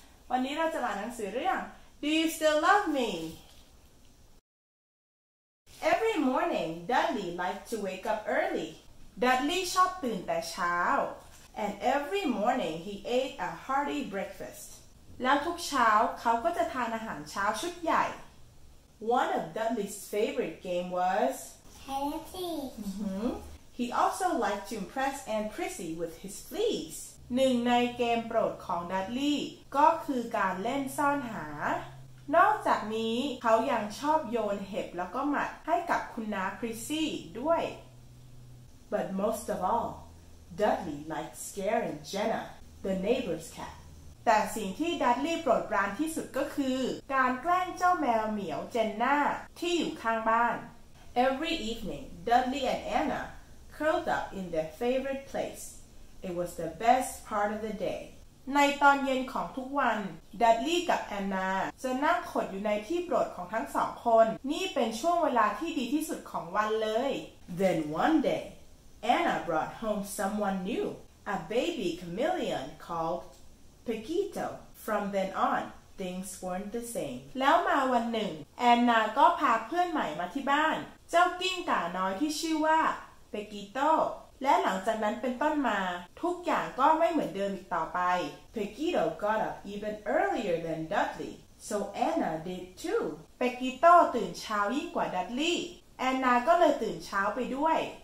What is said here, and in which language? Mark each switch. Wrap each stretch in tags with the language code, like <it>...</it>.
<th>วันนี้เราจะอ่านหนังสือเรื่อง</th> <en>Do you still love me? Every morning, Dudley liked to wake up early. Dudley</en> <th>ชอบตื่นแต่เช้า</th> <en>And every morning, he ate a hearty breakfast.</en> <th>แล้วทุกเช้าเขาก็จะทานอาหารเช้าชุดใหญ่</th> <en>One of Dudley's favorite game was Hide and seek. He also liked to impress Aunt Prissy with his fleas.</en> <th>หนึ่งในเกมโปรดของดัดลี่ก็คือการเล่นซ่อนหานอกจากนี้เขายังชอบโยนเห็บแล้วก็หมัดให้กับคุณน้าพริซซี่ด้วย</th> <en>But most of all, Dudley liked scaring Jenna, the neighbor's cat.</en> <th>แต่สิ่งที่ดัดลี่โปรดปรานที่สุดก็คือการแกล้งเจ้าแมวเหมียวเจนน่าที่อยู่ข้างบ้าน</th> <en>Every evening, Dudley and AnnaCurled up in their favorite place. It was the best part of the day.</en> <th>ในตอนเย็นของทุกวัน Dudley กับ Anna จะนั่งขดอยู่ในที่โปรดของทั้งสองคนนี่เป็นช่วงเวลาที่ดีที่สุดของวันเลย</th> <en>Then one day, Anna brought home someone new. A baby chameleon called Pequito. From then on, things weren't the same.</en> <th>แล้วมาวันหนึ่ง Anna ก็พาเพื่อนใหม่มาที่บ้านเจ้ากิ้งก่าน้อยที่ชื่อว่าเปกิโต้และหลังจากนั้นเป็นต้นมาทุกอย่างก็ไม่เหมือนเดิมอีกต่อไปเปกิโต้</th> <en>got up even earlier than Dudley so Anna did too</en> <th>เปกิโต้ตื่นเช้ายิ่งกว่าดัดลี่แอนนาก็เลยตื่นเช้าไปด้วย</th>